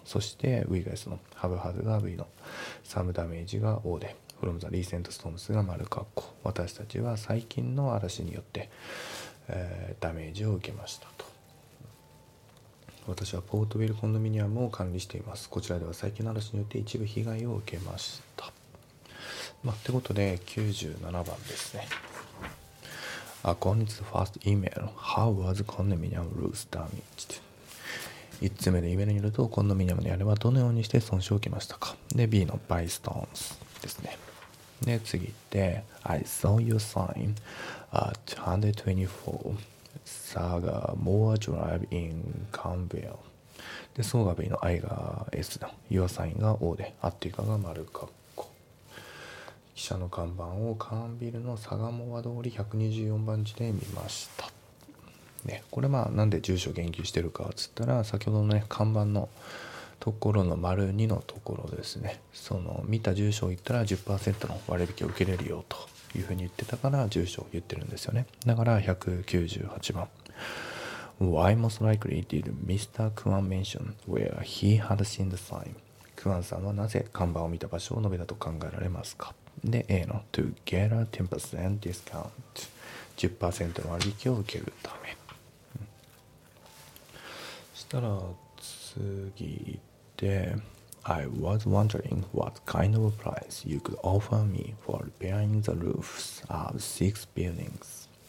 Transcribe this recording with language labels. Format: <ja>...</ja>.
<ja>そして V が S の、ハブハズが V の、サムダメージが O で、フロムザリーセントストームスが丸括弧、私たちは最近の嵐によって、ダメージを受けましたと。私はポートウィルコンドミニアムを管理しています。こちらでは最近の嵐によって一部被害を受けました。まあ、ってことで97番ですね。</ja> <en>According to the first email, how was condominium roof damaged?</en> <ja>1つ目で email によると、コンドミニアムの屋根はどのようにして損傷を受けましたか。で、 B の</ja> <en>by stones</en> <ja>ですね。で、次行って</ja> <en>I saw your sign at 124 Saga Moore Drive in Canville。</en> <ja>で、そうが B の I が S だ、</ja> <en>your sign</en> <ja>が O で、アッティカが丸か、記者の看板をカーンビルのサガモア通り124番地で見ました、ね、これまあなんで住所言及してるかっつったら、先ほどのね、看板のところの丸2のところですね、その見た住所を言ったら 10% の割引を受けれるよというふうに言ってたから住所を言ってるんですよね。だから198番、</ja> <en>Why most likely did Mr. Kwan mention where he had seen the sign?</en> <ja>クワンさんはなぜ看板を見た場所を述べたと考えられますか。で、 A の</ja> <en>To get a 10% discount、</en> <ja>10% の割引を受けるため、そしたら次で</ja> <en>I was wondering what kind of price you could offer me for repairing the roofs of six buildings。</en>